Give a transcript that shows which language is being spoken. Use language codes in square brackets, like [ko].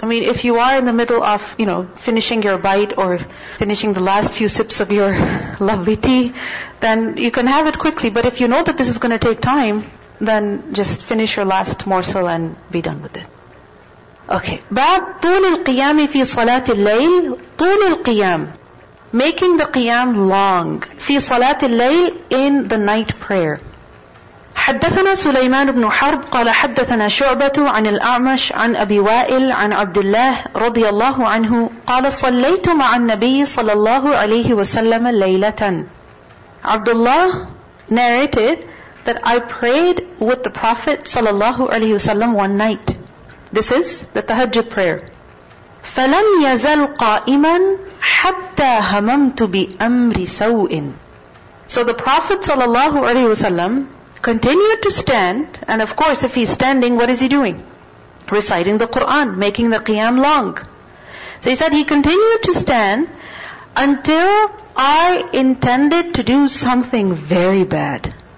[en] I mean, if you are in the middle of, you know, finishing your bite or finishing the last few sips of your lovely tea, then you can have it quickly. But if you know that this is going to take time, then just finish your last morsel and be done with it. Okay. [ar] باب طول القيام في صلاة الليل. طول القيام. [en] Making the قيام long. [ar] في صلاة الليل, [en] in the night prayer. [ar] حدثنا سليمان بن حرب قال حدثنا شعبة عن الأعمش عن أبي وائل عن عبد الله رضي الله عنه قال صليت مع النبي صلى الله عليه وسلم ليلة. [en] Abdullah narrated that I prayed with the Prophet [ar] صلى الله عليه وسلم [en] one night. This is the tahajjud prayer. [ar] فلم يزل قائما حتى هممت بأمر سوء. [en] So the Prophet [ar] صلى الله عليه وسلم [en] continued to stand, and of course if he's standing, what is he doing? Reciting the Quran, making the qiyam long. So he said he continued to stand until I intended to do something very bad.